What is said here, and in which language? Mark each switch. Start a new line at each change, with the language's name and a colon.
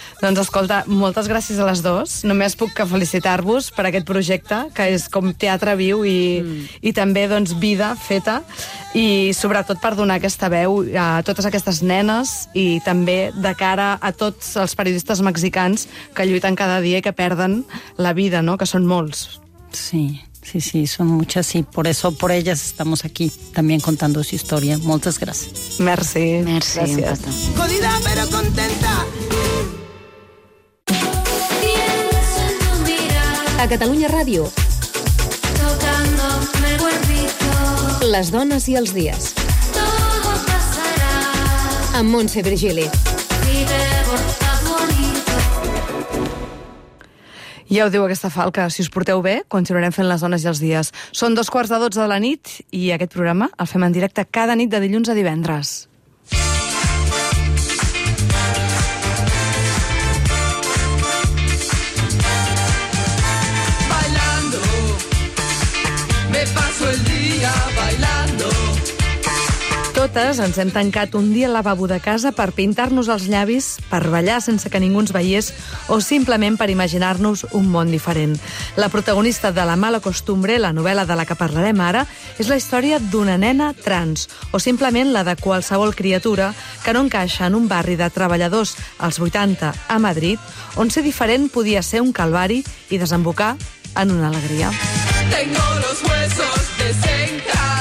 Catalan: Doncs escolta, moltes gràcies a les dues. Només puc que felicitar-vos per aquest projecte, que és com teatre viu i també doncs, vida feta. I sobretot per donar aquesta veu a totes aquestes nenes i també de cara a tots els periodistes mexicans que lluiten cada dia i que perden la vida, no? Que són molts. Sí.
Spanish: Sí, sí, son muchas y por eso, por ellas, estamos aquí también contando su historia. Muchas gracias.
Catalan: Merci. Merci.
Spanish: Gracias. Jodida, pero contenta.
Catalan: A Catalunya Ràdio. Les dones i els dies.
Spanish: Todo pasará.
Catalan: Amb Montse Virgili. Ja ho diu aquesta falca, si us porteu bé, continuarem fent les dones i els dies. Són 11:45 de la nit i aquest programa el fem en directe cada nit de dilluns a divendres.
Spanish: Bailando, me paso el día bailando.
Catalan: Totes ens hem tancat un dia al lavabo de casa per pintar-nos els llavis, per ballar sense que ningú ens veiés o simplement per imaginar-nos un món diferent. La protagonista de La mala costumbre, la novel·la de la que parlarem ara, és la història d'una nena trans o simplement la de qualsevol criatura que no encaixa en un barri de treballadors als 80 a Madrid, on ser diferent podia ser un calvari i desembocar en una alegria.
Spanish: Tengo los huesos de senca.